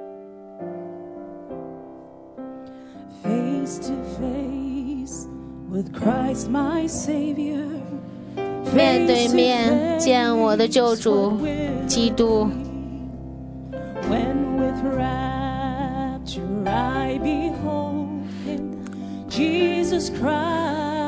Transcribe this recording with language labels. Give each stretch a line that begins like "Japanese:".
English: the Lord's. Face to face with Christ my Savior.
Chinese: 面对面见我的救主基督。
English: When with rapture I behold Jesus Christ.